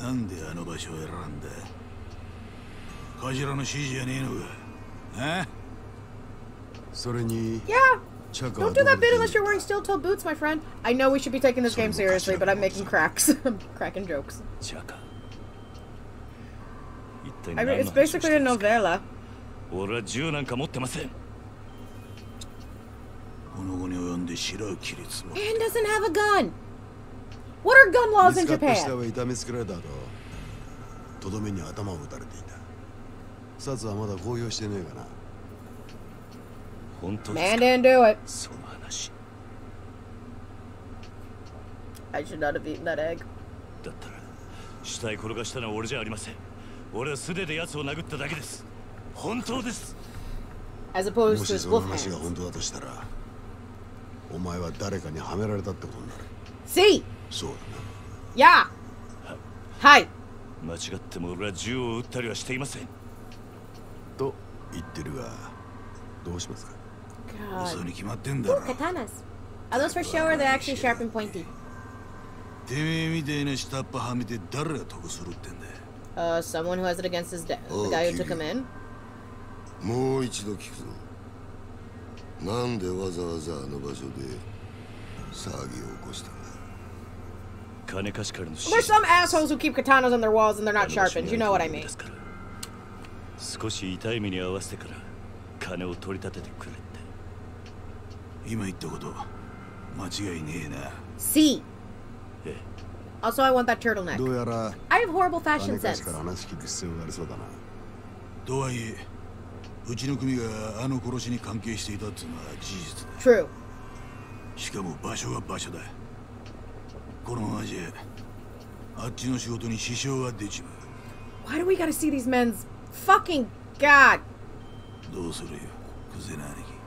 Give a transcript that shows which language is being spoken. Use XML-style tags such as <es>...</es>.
<ja>なんであの場所を選んだ。カジラの指示やねえのか。え？それに。</ja> <en>Yeah。 Don't do that bit unless you're wearing steel-toed boots, my friend. I know we should be taking this game seriously, but I'm making cracks, cracking jokes.</en> <ja>チャカ。一体何の話ですか？</ja> <en>It's basically a novella。</en> <ja>俺は銃なんか持ってません。この子に及んで白い規律も。</ja> <en>Anne doesn't have a gun. What are gun laws in Japan?</en> <ja>死体は痛めつけられた後、とどめに頭を打たれていた。殺はまだ公表してねえかな。本当ですか。</ja> <en>Man didn't do it.</en> <ja>その話。</ja> <en>I should not have eaten that egg.</en> <ja>だったら死体転がしたのは俺じゃありません。俺は素手で奴を殴っただけです。本当です。</ja> <en>As opposed to wolfhands.</en> <ja>もしその話が本当だとしたら。お前は誰かにはめられたってことになる。</ja> <en>See。</en> <ja>そうだな。</ja> <en>Yeah。</en> <ja>はい。間違っても俺は銃を撃ったりはしていません。と言ってるがどうしますか。</ja> <en>God。</en> <ja>嘘に決まってんだろ。</ja> <en>Ooh, katanas。 Are those for show or they're actually sharp and pointy?</en> <ja>てめえみたいな下っ端はめて誰が得するってんだ。</ja> <en>Someone who has it against his dad, the guy who took him in。</en> <ja>もう一度聞くぞ。なんでわざわざあの場所で騒ぎを起こしたんだ。金貸しからの。</ja> <en>There's some assholes who keep katanas on their walls and they're not sharpened. You know what I mean?</en> <ja>少し痛い目に遭わせてから金を取り立ててくれって。今言ったこと間違いねえな。</ja> <en>See. Hey. Also, I want that turtleneck.</en> <ja>どうやら。</ja> <en>I have horrible fashion sense.</en> <ja>金貸しから話聞く必要がありそうだな。とはいえ。うちの組があの殺しに関係していたってのは事実だ。</ja> <en>True。</en> <ja>しかも場所は場所だ。このままじゃあっちの仕事に支障が出ちまう。</ja> <en>Why do we gotta see these men's fucking god?</en> <ja>どうするよ、クゼナ兄貴。</ja>